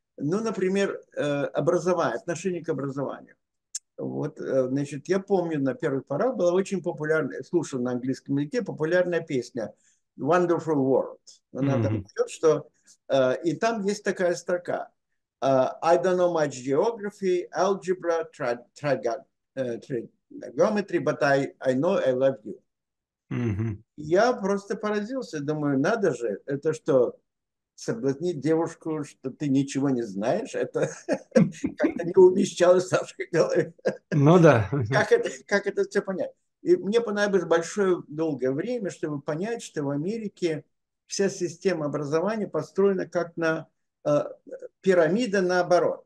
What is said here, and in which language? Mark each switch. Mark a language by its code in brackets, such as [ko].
[ru] Ну, например, образование, отношение к образованию. Вот, значит, я помню, на первых порах была очень популярная, слушал на английском языке, популярная песня «Wonderful World». Она там поет, что... И там есть такая строка. [en] I don't know much geography, algebra, trigonometry, but I know I love you. [ru] Я просто поразился, думаю, надо же, это что, соблазнить девушку, что ты ничего не знаешь, это как-то не умещалось в нашей голове. Ну да. Как это все понять? И мне понадобилось большое долгое время, чтобы понять, что в Америке вся система образования построена как на пирамида наоборот.